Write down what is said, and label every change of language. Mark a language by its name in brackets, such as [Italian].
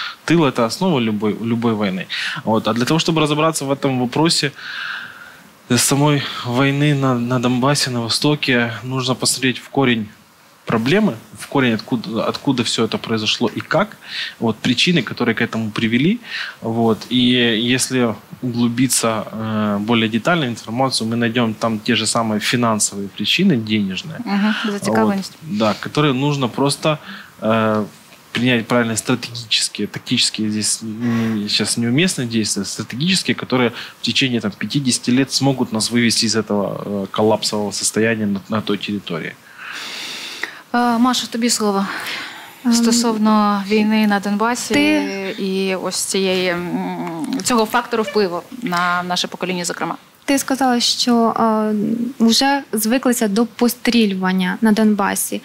[Ukrainian] Тил – це основа любої війни. От, а для того, щоб розібратися в цьому питанні, [Russian] для самой войны на Донбассе, на Востоке нужно посмотреть в корень проблемы, в корень, откуда все это произошло и как, вот, причины, которые к этому привели. Вот, и если углубиться более детально в информацию, мы найдем там те же самые финансовые причины, денежные. Угу, затекованность. Вот, да, которые нужно просто принять правильные стратегические, тактические, здесь сейчас неуместные действия, стратегические, которые в течение там, 50 лет смогут нас вывести из этого коллапсового состояния на той территории. [Ukrainian] Маша, тобі слово. Стосовно війни на Донбасі і ось цього фактору впливу на наше покоління, зокрема. Ти сказала, що вже звиклися до пострілювання на Донбасі.